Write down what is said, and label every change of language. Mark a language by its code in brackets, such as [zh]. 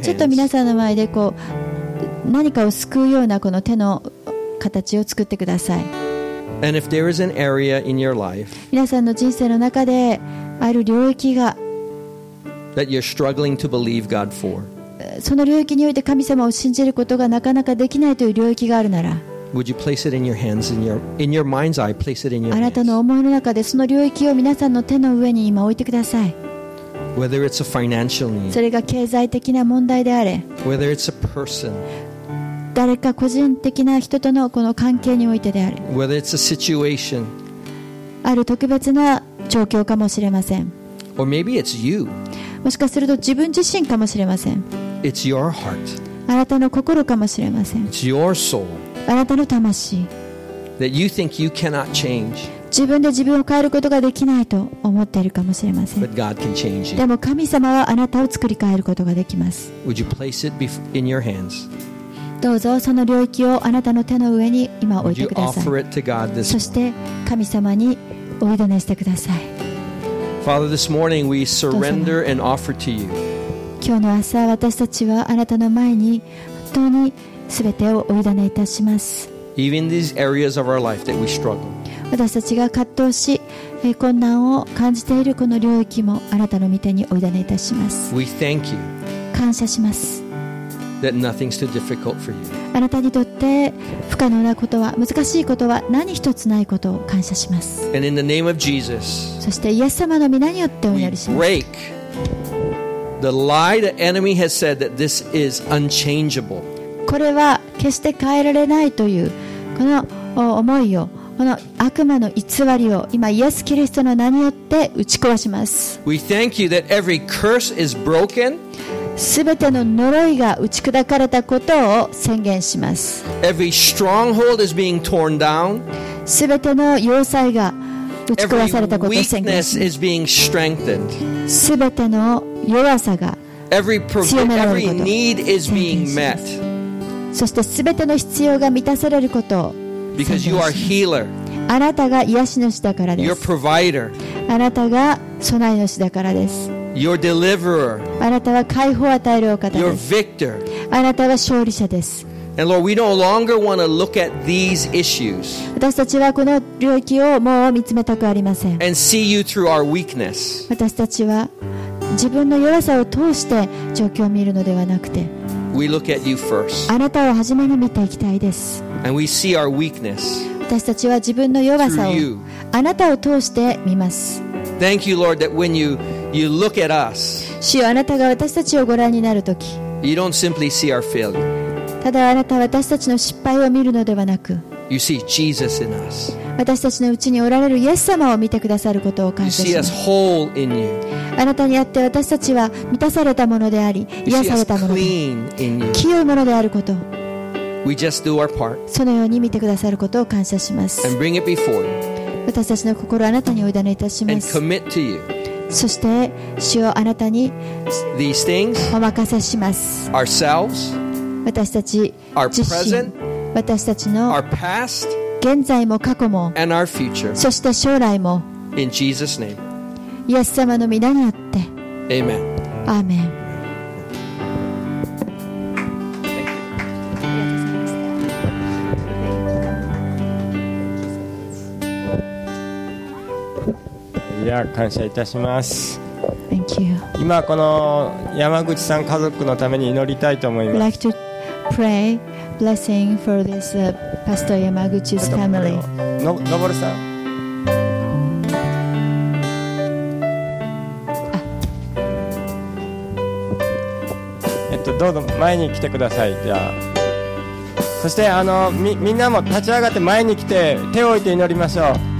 [ja] ちょっと皆さんの前でこう何かをすくうようなこの手の形を作ってください。 [en] And if there is an area in your life, [ja] 皆さんの人生の中である領域が [en] That you're struggling to believe God for. [ja] その領域において神様を信じることがなかなかできないという領域があるなら、 [en] Would you place it in your hands, in your mind's eye, place it in your hands. [ja] あなたの思いの中でその領域を皆さんの手の上に今置いてください。 [en] Whether it's a financial need. [ja] それが経済的な問題であれ。 [en] Whether it's a person. [ja] 誰か個人的な人とのこの関係においてであれ。 [en] Whether it's a situation. [ja] ある特別な状況かもしれません。 [en] Or maybe it's you. [ja] もしかすると自分自身かもしれません。 [en] It's your heart. [ja] あなたの心かもしれません。 [en] It's your soul. [ja] あなたの魂。 [en] That you think you cannot change. [ja] 自分で自分を変えることができないと思っているかもしれません。 [en] But God can change you. [ja] でも神様はあなたを作り変えることができます。 [en] Would you place it in your hands? [ja] どうぞその領域をあなたの手の上に今置いてください。そして神様にお委ねしてください。 [en] Father, this morning we surrender and offer to you. [ja] 今日の朝私たちはあなたの前に本当に全てをお委ねいたします。 [en] Even these areas of our life that we struggle. [ja] 私たちが葛藤し困難を感じているこの領域もあなたの御手にお委ねいたします。 [en] We thank you. [ja] 感謝します。 [en] That nothing's too difficult for you. [ja] あなたにとって不可能なことは難しいことは何一つないことを感謝します。 [en] And in the name of Jesus, [ja] そしてイエス様の御名によってお祈りします。 [en] We break the lie the enemy has said that this is unchangeable. [ja] これは決して変えられないというこの思いをこの悪魔の偽りを今イエス・キリストの名によって打ち壊します。 [en] We thank you that every curse is broken. [ja] すべての呪いが打ち砕かれたことを宣言します。すべての要塞が打ち壊されたことを宣言します。すべての [en] weakness is being strengthened. [ja] すべての弱さが強められることを宣言します。そしてすべての必要が満たされることを宣言します。あなたが癒し主だからです。 [en] You're provider. [ja] あなたが備え主だからです。 [en] Your deliverer. [ja] あなたは解放を与えるお方です。 [en] Your victor. [ja] あなたは勝利者です。 [en] And Lord, we no longer want to look at these issues. [ja] 私たちはこの領域をもう見つめたくありません。 [en] And see you through our weakness. [ja] 私たちは自分の弱さを通して状況を見るのではなくて、 [en] we look at you first. [ja] あなたを初めに見ていきたいです。 [en] And we see our weakness. [ja] 私たちは自分の弱さをあなたを通して見ます。 [en] Thank you, Lord, that when you You look at us. [ja] 主よ、あなたが私たちをご覧になるとき、 [en] You don't simply see our failure. [ja] ただあなたは私たちの失敗を見るのではなく、 [en] You see Jesus in us. [ja] 私たちのうちにおられるイエス様を見てくださることを感謝します。 [en] You see us whole in you. [ja] あなたにあって私たちは満たされたものであり、癒されたもの、 [en] You see us clean in you. [ja] 清いものであること。 [en] We just do our part. [ja] そのように見てくださることを感謝します。 [en] And bring it before you. [ja] 私たちの心をあなたにお委ねいたします。 [en] And commit to you. [ja] そして主をあなたにお任せします。 [en] ourselves, [ja] 私たち自身、私たちの現在も過去も、 [en] and our future, [ja] そして将来も、 [en] in Jesus name. [ja] イエス様の御名によって、 [en] Amen. [ja] アーメン。いや、感謝いたします。 [en] Thank you. [ja] 今この山口さん家族のために祈りたいと思います。 [en] I'd like to pray blessing for this Pastor Yamaguchi's family. [ja] のぼるさん、どうぞ前に来てください。じゃあ、そしてみんなも立ち上がって前に来て手を置いて祈りましょう。